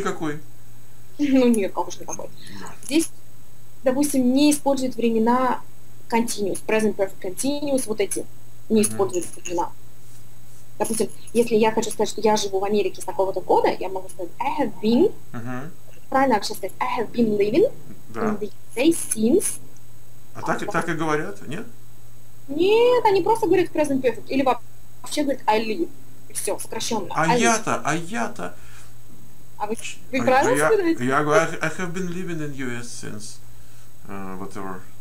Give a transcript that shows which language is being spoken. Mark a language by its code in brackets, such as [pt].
[ru] никакой. Ну, нет, как уж никакой. Здесь, допустим, не используют времена continuous, present perfect continuous, вот эти не используют времена. Допустим, если я хочу сказать, что я живу в Америке с такого-то года, я могу сказать [en] I have been. [ru] Правильно, я хочу сказать [en] I have been living in the USA since. [ru] А так, так и говорят, нет? Нет, они просто говорят present perfect или вообще говорят [en] I live. [ru] Все, сокращенно. А я-то. А вы правильно сказали? Я говорю, [en] I have been living in US since whatever.